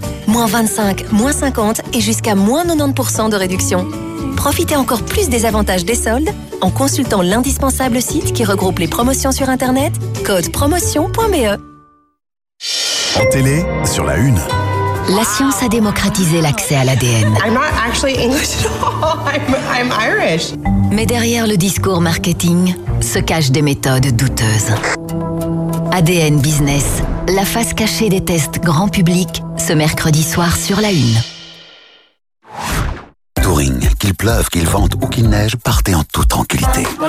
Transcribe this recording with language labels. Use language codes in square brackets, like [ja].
[fr] Moins 25, moins 50 et jusqu'à moins 90% de réduction. Profitez encore plus des avantages des soldes en consultant l'indispensable site qui regroupe les promotions sur Internet, codepromotion.be. En télé, sur la Une. La science a démocratisé l'accès à l'ADN. [en] I'm not actually English at all. I'm Irish. [fr] Mais derrière le discours marketing se cachent des méthodes douteuses. ADN Business, la face cachée des tests grand public, ce mercredi soir sur la Une. Touring, qu'il pleuve, qu'il vente ou qu'il neige, partez en toute tranquillité.